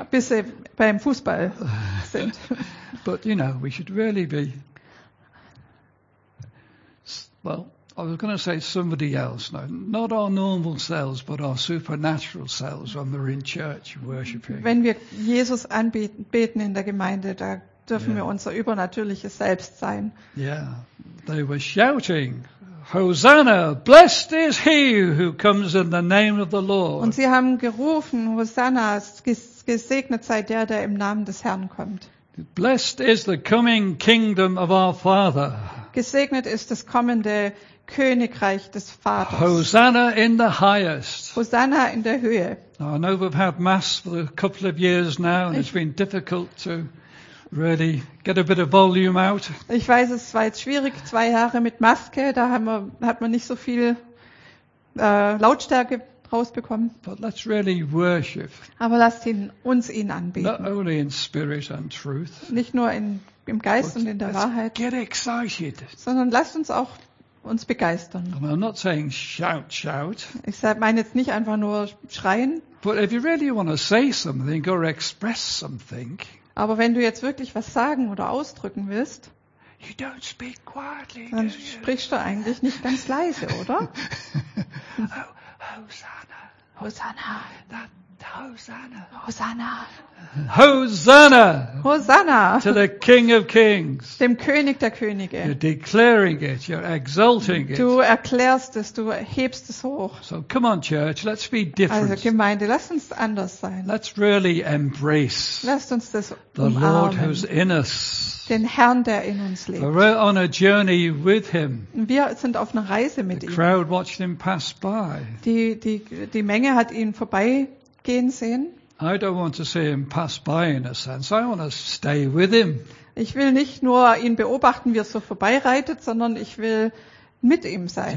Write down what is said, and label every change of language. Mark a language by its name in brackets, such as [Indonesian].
[German] Bis sie beim Fußball sind. [English] But you know, we should really be. Well, I was going to say somebody else. No, not our normal selves, but our supernatural selves when we're in church worshiping. [German] Wenn wir Jesus anbeten in der Gemeinde, da dürfen wir unser übernatürliches Selbst sein. [English] Yeah, they were shouting, "Hosanna! Blessed is he who comes in the name of the Lord." [German] Und sie haben gerufen, Hosanna, gesegnet sei der, der im Namen des Herrn kommt. [English] Blessed is the coming kingdom of our Father. [German] Gesegnet ist das kommende Königreich des Vaters. [English] Hosanna in the highest. [German] Hosanna in der Höhe. [English] Now, I know we've had mass for a couple of years now, and it's been difficult to really get a bit of volume out. [German] Ich weiß, es war jetzt schwierig, 2 Jahre mit Maske, da hat man nicht so viel Lautstärke rausbekommen. [English] But let's really worship. [German] Aber lasst uns ihn anbeten. [English] Not only in spirit and truth. [German] Nicht nur im Geist und in der Wahrheit. [English] Get excited. [German] Sondern lasst uns auch uns begeistern. [English] And I'm not saying shout, shout. [German] Ich meine jetzt nicht einfach nur schreien. [English] But if you really want to say something or express something. [German] Aber wenn du jetzt wirklich was sagen oder ausdrücken willst, [English] you don't speak quietly, [German] dann [English] do you? [German] Sprichst du eigentlich nicht ganz leise, oder? Hosanna. Hosanna. Hosanna. Hosanna. [English] To the King of Kings. [German] Dem König der Könige. [English] You're declaring it. You're exalting it. [German] Du erklärst es. Du hebst es hoch. [English] So come on, church. Let's be different. [German] Also Gemeinde, lass uns anders sein. [English] Let's really embrace. [German] Lasst uns das umarmen. [English] The Lord who's in us. [German] Den Herrn, der in uns lebt. [English] We're on a journey with him. [German] Wir sind auf einer Reise mit ihm. [English] The crowd watched him pass by. [German] Die Menge hat ihn vorbeigehen sehen. [English] I don't want to see him pass by in a sense. I want to stay with him. [German] Ich will nicht nur ihn beobachten, wie er so vorbeireitet, sondern ich will mit ihm sein.